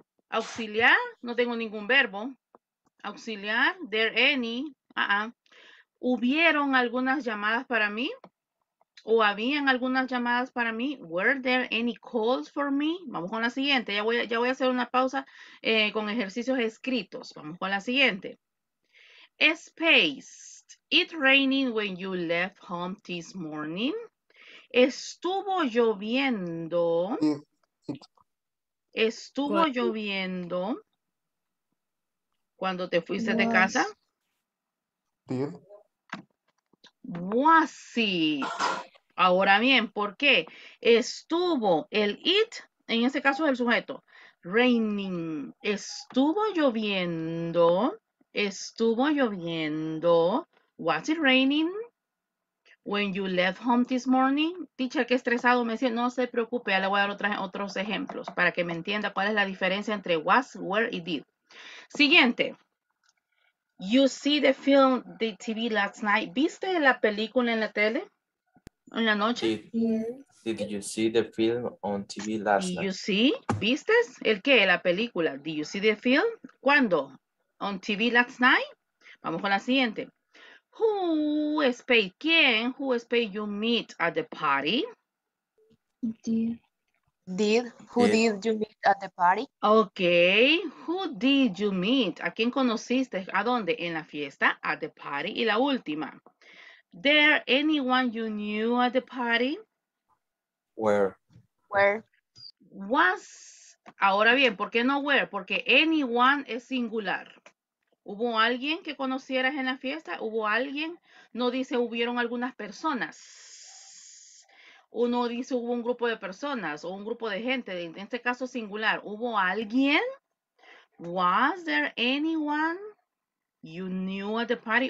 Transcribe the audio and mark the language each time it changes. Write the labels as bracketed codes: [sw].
[es] Auxiliar, no tengo ningún verbo. Auxiliar, [en] there any, [es] ¿hubieron algunas llamadas para mí? ¿O habían algunas llamadas para mí? [en] Were there any calls for me? [es] Vamos con la siguiente. Ya voy a hacer una pausa con ejercicios escritos. Vamos con la siguiente. Space. [en] It raining when you left home this morning. [es] Estuvo lloviendo. Estuvo lloviendo. ¿Cuando te fuiste de casa? [en] Was it? [es] Ahora bien, ¿por qué? Estuvo el it, en ese caso es el sujeto. [en] Raining. [es] Estuvo lloviendo. Estuvo lloviendo. [en] Was it raining when you left home this morning? [es] Teacher, qué estresado me decía. No se preocupe, ya le voy a dar otros ejemplos para que me entienda cuál es la diferencia entre was, were y did. Siguiente. [en] You see the film, the TV last night. [es] ¿Viste la película en la tele? ¿En la noche? [en] Did you see the film on TV last night? You see? [es] ¿Viste? ¿El qué? La película. [en] Did you see the film? [es] ¿Cuándo? [en] ¿On TV last night? [es] Vamos con la siguiente. [en] Who spake you meet at the party? Did you meet at the party? Okay. Who did you meet? [es] ¿A quién conociste? ¿A dónde? En la fiesta, [en] at the party. [es] Y la última. [en] There anyone you knew at the party? Where? [es] Was. Ahora bien, ¿por qué no where? Porque anyone es singular. ¿Hubo alguien que conocieras en la fiesta? ¿Hubo alguien? No dice hubieron algunas personas. Uno dice hubo un grupo de personas o un grupo de gente. En este caso singular, ¿hubo alguien? [en] Was there anyone you knew at the party?